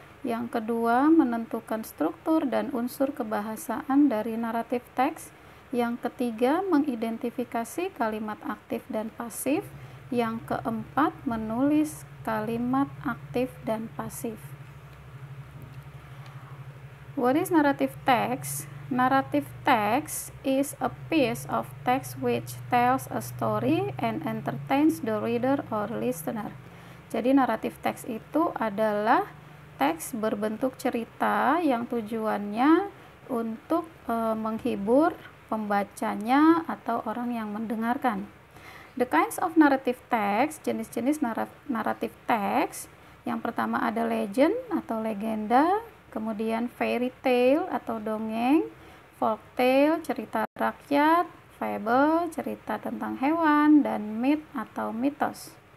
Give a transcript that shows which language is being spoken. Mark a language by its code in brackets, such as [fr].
[id] Yang kedua, menentukan struktur dan unsur kebahasaan dari narrative text. Yang ketiga, mengidentifikasi kalimat aktif dan pasif. Yang keempat, menulis kalimat aktif dan pasif. [en] What is narrative text? Narrative text is a piece of text which tells a story and entertains the reader or listener. [id] Jadi, narrative text itu adalah teks berbentuk cerita yang tujuannya untuk menghibur pembacanya atau orang yang mendengarkan. [en] The kinds of narrative text, [id] jenis-jenis narrative text, yang pertama ada legend atau legenda, kemudian fairy tale atau dongeng, folk tale, cerita rakyat, fable, cerita tentang hewan, dan myth atau mitos.